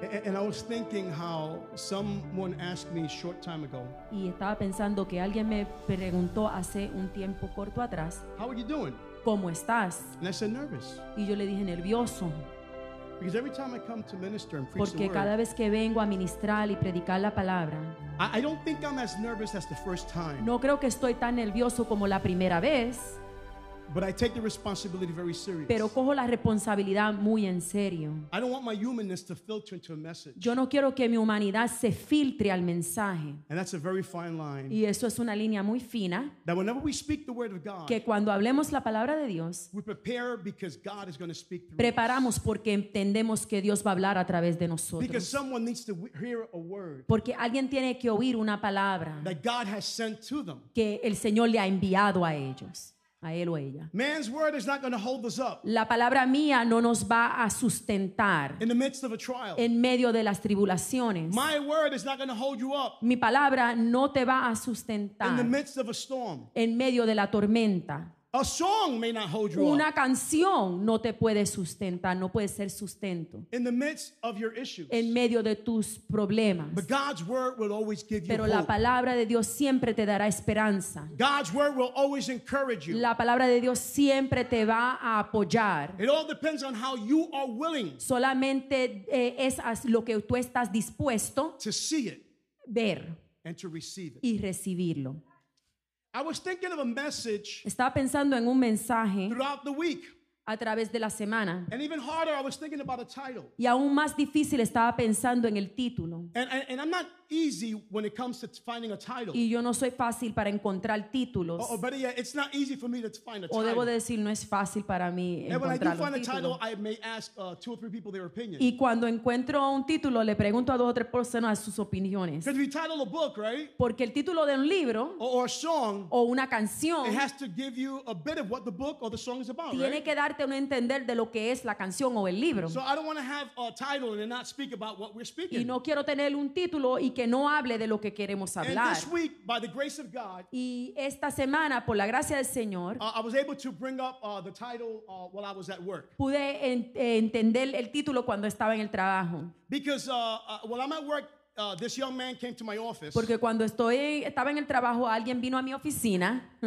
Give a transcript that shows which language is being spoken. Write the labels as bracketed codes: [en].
[en] And I was thinking how someone asked me a short time ago. [es] Y estaba pensando que alguien me preguntó hace un tiempo corto atrás. [en] How are you doing? [es] ¿Cómo estás? [en] And I said nervous. [es] Y yo le dije nervioso. [en] Because every time I come to minister and preach [es] porque [en] the word, [es] cada vez que vengo a ministrar y predicar la palabra, [en] I don't think I'm as nervous as the first time. [es] No creo que estoy tan nervioso como la primera vez. [en] But I take the responsibility very serious. [es] Pero cojo la responsabilidad muy en serio. [en] I don't want my humanness to filter into a message. [es] Yo no quiero que mi humanidad se filtre al mensaje. [en] And that's a very fine line. [es] Y eso es una línea muy fina. [en] That whenever we speak the word of God, [es] que cuando hablemos la palabra de Dios, [en] we prepare because God is going to speak through [es] preparamos [en] us. [es] Porque entendemos que Dios va a hablar a través de nosotros. [en] Because someone needs to hear a word. [es] Porque alguien tiene que oír una palabra. [en] That God has sent to them. [es] Que el Señor le ha enviado a ellos. A él o ella. [en] Man's word is not going to hold us up. [es] La palabra mía no nos va a sustentar. [en] In the midst of a trial. [es] En medio de las tribulaciones. [en] My word is not going to hold you up. [es] Mi palabra no te va a sustentar. [en] In the midst of a storm. [es] En medio de la tormenta. [en] A song may not hold you [es] una [en] up. [es] Una canción no te puede sustentar, no puede ser sustento. [en] In the midst of your issues. [es] En medio de tus problemas. [en] But God's word will always give [es] pero [en] you hope. [es] Pero la palabra de Dios siempre te dará esperanza. [en] God's word will always encourage you. [es] La palabra de Dios siempre te va a apoyar. [en] It all depends on how you are willing. [es] Solamente es lo que tú estás dispuesto [en] to see it. [es] Ver. [en] And to receive it. [es] Y recibirlo. [en] I was thinking of a message. [es] Estaba pensando en un mensaje [en] throughout the week. [es] A través de la semana. [en] And even harder, I was thinking about a title. [es] Y aún más difícil estaba pensando en el título. [en] And I'm not easy when it comes to finding a title. [es] Y yo no soy fácil para encontrar títulos. [en] Or better yet, it's not easy for me to find a title. [es] O debo decir, no es fácil para mí encontrar [en] and when I do find a title, I may ask two or three people their opinion. [es] Y cuando encuentro un título, le pregunto a dos o tres personas sus opiniones. [en] Because if you title a book, right? [es] Porque el título de un libro [en] or a song, [es] o una canción, [en] it has to give you a bit of what the book or the song is about, [es] tiene [en] right? [es] Que darte un entender de lo que es la canción o el libro. [en] So I don't want to have a title and not speak about what we're speaking. [es] Y no quiero tener un título y que no hable de lo que queremos hablar. [en] And this week, by the grace of God, [es] y esta semana, por la gracia del Señor, [en] I was able to bring up the title while I was at work. [es] Pude entender el título cuando estaba en el trabajo. [en] Because while I'm at work, this young man came to my office. [es] Porque cuando estaba en el trabajo, alguien vino a mi oficina.